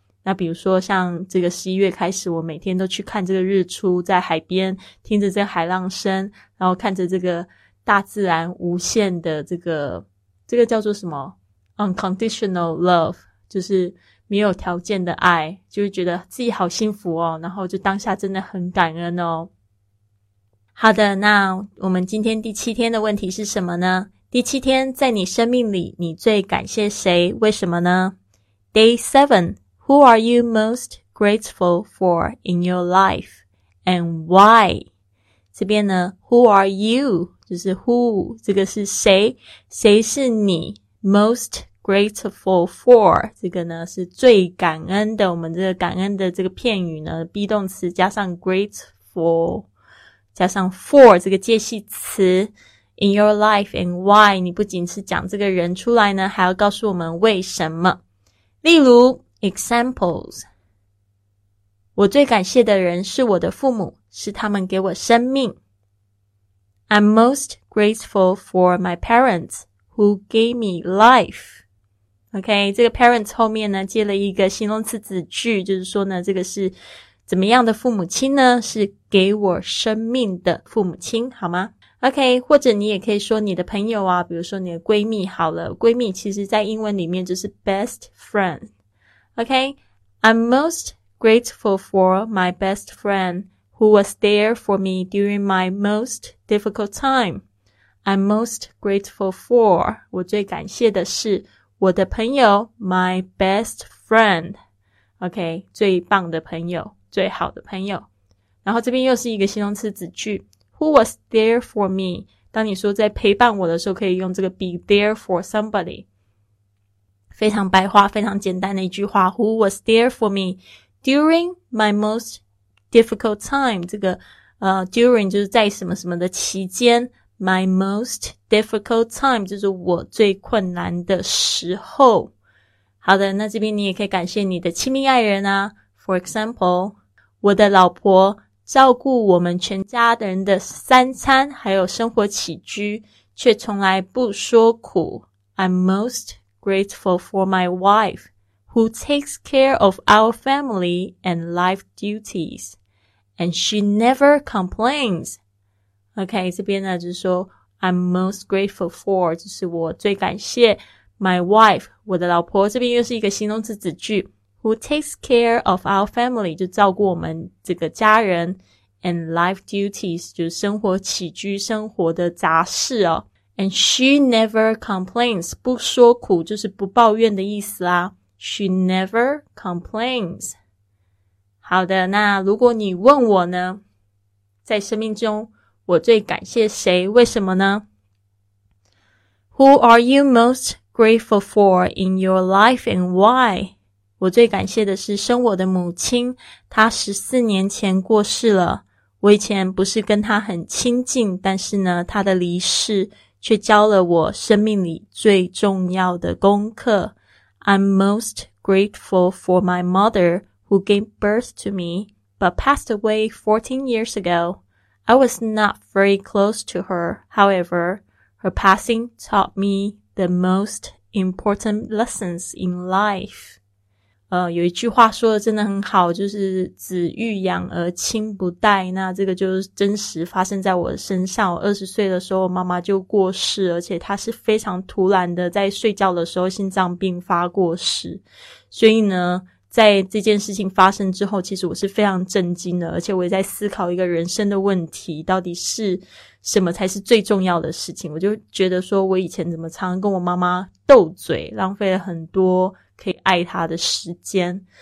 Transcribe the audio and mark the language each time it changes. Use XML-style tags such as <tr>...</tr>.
<zh>那比如说像这个11月开始，我每天都去看这个日出，在海边听着这个海浪声，然后看着这个大自然无限的这个叫做什么</zh> <en>unconditional love,</en> <zh>就是没有条件的爱，就会觉得自己好幸福哦，然后就当下真的很感恩哦。好的，那我们今天第7天的问题是什么呢？第7天，在你生命里你最感谢谁，为什么呢？</zh> <en>Day 7,Who are you most grateful for in your life and why?</en> <zh>这边呢</zh> <en>,who are you?</en> <zh>就是 who, 这个是谁，谁是你</zh> <en>most grateful for?</en> <zh>这个呢是最感恩的，我们这个感恩的这个片语呢 ,be 动词加上 grateful, 加上 for 这个介系词</zh> <en>in your life and why,</en> <zh>你不仅是讲这个人出来呢，还要告诉我们为什么。例如Examples. 我最感谢的人是我的父母，是他们给我生命。</zh> <en>I'm most grateful for my parents who gave me life.</en> <zh>OK, 这个 parents 后面呢接了一个形容词子句，就是说呢这个是怎么样的父母亲呢，是给我生命的父母亲，好吗？ OK, 或者你也可以说你的朋友啊，比如说你的闺蜜好了，闺蜜其实在英文里面就是 best friend.</zh> <en>OK, I'm most grateful for my best friend who was there for me during my most difficult time. I'm most grateful for,</en> <zh>我最感谢的是我的朋友</zh> <en>my best friend.</en> <zh>OK, 最棒的朋友，最好的朋友。然后这边又是一个形容词子句 ,</zh> <en>who was there for me?</en> <zh>当你说在陪伴我的时候可以用这个 be there for somebody. 非常白话，非常简单的一句话</zh> <en>Who was there for me during my most difficult time?</en> <zh>这个during 就是在什么什么的期间</zh> <en>My most difficult time</en> <zh>就是我最困难的时候。好的，那这边你也可以感谢你的亲密爱人啊。</zh> <en>For example,</en> <zh>我的老婆照顾我们全家的人的三餐还有生活起居，却从来不说苦。</zh> <en>I'm mostgrateful for my wife, who takes care of our family and life duties, and she never complains.</en> <zh>OK, 这边呢就是说</zh> <en>I'm most grateful for,</en> <zh>就是我最感谢</zh> <en>my wife,</en> <zh>我的老婆，这边又是一个形容词子句</zh> <en>who takes care of our family,</en> <zh>就照顾我们这个家人</zh> <en>and life duties,</en> <zh>就是生活起居生活的杂事哦。</zh> <en>And she never complains,</en> <zh>不说苦就是不抱怨的意思啦。</zh> <en>She never complains.</en> <zh>好的，那如果你问我呢，在生命中我最感谢谁，为什么呢？</zh> <en>Who are you most grateful for in your life and why?</en> <zh>我最感谢的是生我的母亲，她14年前过世了。我以前不是跟她很亲近，但是呢她的离世却教了我生命里最重要的功课。</zh> <en>I'm most grateful for my mother who gave birth to me, but passed away 14 years ago. I was not very close to her. However, her passing taught me the most important lessons in life.</en> <zh>有一句话说的真的很好，就是子欲养而亲不待。那这个就是真实发生在我身上。我20岁的时候，我妈妈就过世，而且她是非常突然的，在睡觉的时候心脏病发过世。所以呢，在这件事情发生之后，其实我是非常震惊的，而且我也在思考一个人生的问题，到底是什么才是最重要的事情。我就觉得说，我以前怎么常常跟我妈妈斗嘴，浪费了很多可以爱他的时间。</zh>